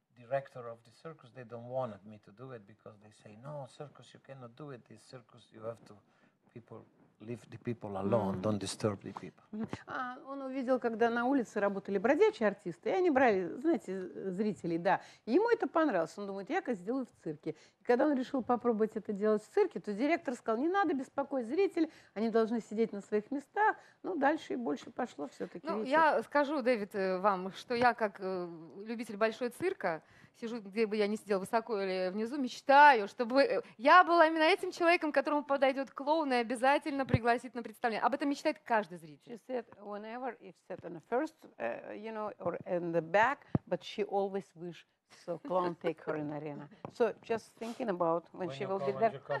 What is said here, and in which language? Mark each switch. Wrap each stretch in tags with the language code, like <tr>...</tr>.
<en>Director of the circus, they don't want me to do it because they say, no, circus, you cannot do it. This circus, you have to people leave the people alone, don't disturb the people.</en> <ru>А он увидел, когда на улице работали бродячие артисты, и они брали, знаете, зрителей, да. Ему это понравилось, он думает, я-ка сделаю в цирке. И когда он решил попробовать это делать в цирке, то директор сказал, не надо беспокоить зрителей, они должны сидеть на своих местах. Ну, дальше и больше пошло все-таки. Ну, видите? Я скажу, Дэвид, вам, что я как любитель большого цирка, сижу, где бы я ни сидела, высоко или внизу, мечтаю, чтобы я была именно этим человеком, которому подойдет клоун и обязательно пригласит на представление. Об этом мечтает каждый зритель.</ru> <en>She said whenever if set in the first, you know, or in the back, but she always wish so clown take her in arena. So just thinking about when she will be there.</en>